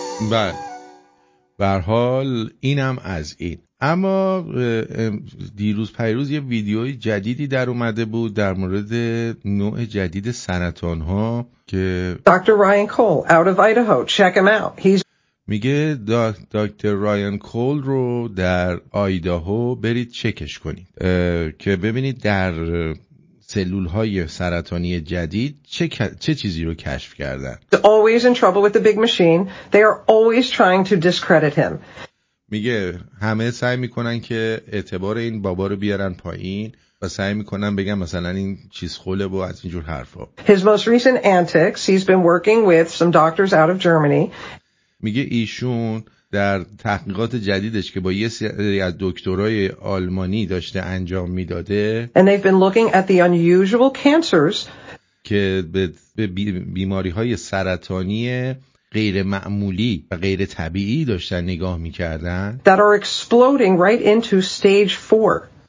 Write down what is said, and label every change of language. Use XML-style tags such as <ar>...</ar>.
<fa>بله برحال اینم از این اما دیروز پیروز یه ویدیوی جدیدی در اومده بود در مورد نوع جدید سرطان ها که</fa> <en>دکتر Ryan Cole out of Idaho check him out he's</en> <fa>میگه دکتر رایان کول رو در آیداهو برید چکش کنید که ببینید در سلول های سرطانی جدید چه چیزی رو کشف کردن.</fa> <en>Always in trouble with the big machine. They are always trying to discredit him.</en> <fa>میگه همه سعی میکنن که اعتبار این بابا رو بیارن پایین و سعی میکنن بگن مثلا این چیز خوله با از اینجور حرفا.</fa> <en>His most recent antics, he's been working with some doctors out of Germany.</en> <fa>میگه ایشون در تحقیقات جدیدش که با یه سری از دکترای آلمانی داشته انجام میداده</fa> <en>and they've been looking at the unusual cancers</en> <fa>که به بیماری‌های سرطانی غیر معمولی و غیر طبیعی داشتن نگاه می‌کردن</fa> <en>that are exploding right into stage 4</en>